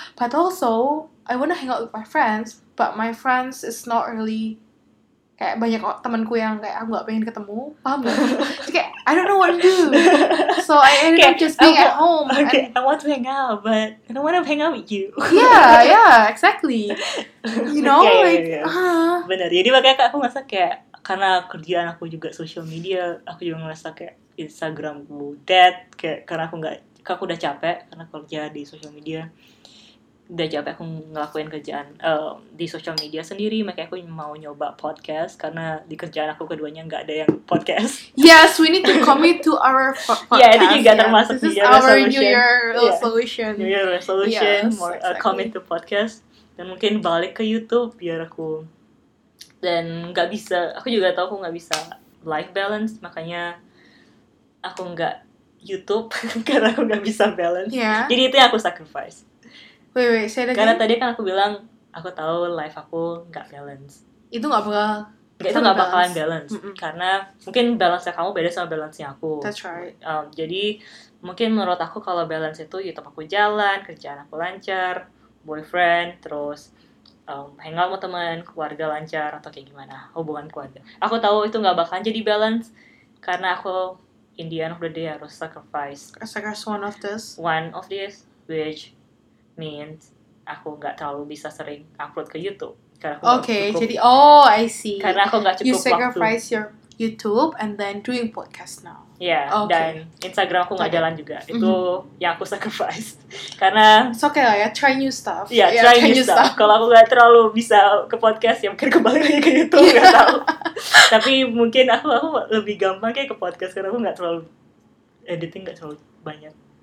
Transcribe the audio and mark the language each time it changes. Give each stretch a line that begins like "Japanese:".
English: But also I wanna hang out with my friends. But my friends is not really
Indonesian: kayak banyak temanku yang kayak aku gak pengen ketemu, paham gak?
English: Kayak I don't know what to do, so I ended up just being at home. Okay, and I want to hang out, but I don't want to hang out with you. yeah, exactly. You know,
Indonesian: Bener. Jadi makanya aku ngerasa kayak karena kerjaan aku juga social media, aku juga ngerasa kayak Instagramku dead, kayak karena aku udah capek karena kerja di social media. Udah capek aku ngelakuin kerjaan di social media sendiri, makanya aku mau nyoba podcast karena di kerjaan aku keduanya nggak ada yang podcast.
English: Yes, we need to commit to our podcast.
Indonesian: Yeah, itu juga termasuk
English: this is our resolution. New Year resolution. New Year resolution, yes, more exactly. Commit to podcast
Indonesian: dan mungkin balik ke YouTube biar aku dan nggak bisa, aku juga tahu aku nggak bisa life balance, makanya aku nggak YouTube karena aku nggak bisa balance.
English: Yeah.
Indonesian: Jadi itu yang aku sacrifice.
English: Wait, say it again.
Indonesian: Karena tadi kan aku bilang, aku tahu life aku gak balance. Itu gak bakal balance. Itu gak bakalan balance. Karena mungkin balance-nya kamu beda sama balance-nya aku.
English: That's right.
Indonesian: Jadi, mungkin menurut aku kalau balance itu YouTube aku jalan, kerjaan aku lancar, boyfriend, terus hangout sama teman, keluarga lancar, atau kayak gimana, hubungan keluarga. Aku tahu itu gak bakalan jadi balance, karena aku
English: in the end of the day
Indonesian: harus sacrifice.
English: I sacrifice one of this. One of this,
Indonesian: which means aku nggak terlalu bisa sering upload ke YouTube.
English: Okay, jadi oh I see.
Indonesian: Karena aku nggak cukup waktu.
English: You sacrifice your YouTube and then doing podcast now. Yeah, okay.
Indonesian: Dan Instagram aku nggak jalan juga. Itu yang aku sacrifice. Karena
English: it's okay lah ya, try new stuff. Yeah, yeah, try new stuff.
Indonesian: Kalau aku nggak terlalu bisa ke podcast, ya mungkin kembali lagi ke YouTube, nggak tahu. Tapi mungkin aku lebih gampang kayak ke podcast karena aku nggak terlalu editing, nggak terlalu banyak.